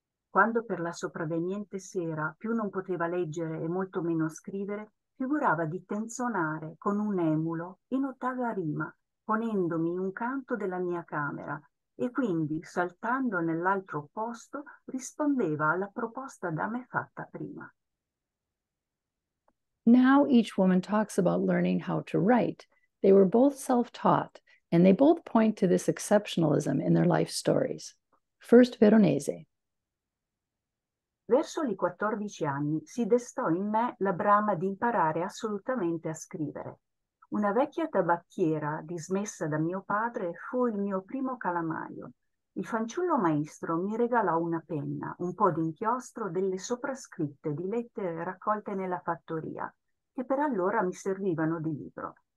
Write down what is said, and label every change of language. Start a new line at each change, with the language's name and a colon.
Italian: Quando per la sopravveniente sera più non poteva leggere e molto meno scrivere, figurava di tenzonare con un emulo in ottava rima, ponendomi in un canto della mia camera, e quindi, saltando nell'altro posto, rispondeva alla proposta da me fatta prima.
English: Now each woman talks about learning how to write. They were both self-taught, and they both point to this exceptionalism in their life stories. First, Veronese.
Italian: Verso i 14 anni si destò in me la brama di imparare assolutamente a scrivere. Una vecchia tabacchiera dismessa da mio padre fu il mio primo calamaio. Il fanciullo maestro mi regalò una penna, un po' d'inchiostro, delle soprascritte di lettere raccolte nella fattoria, che per allora mi servivano di libro.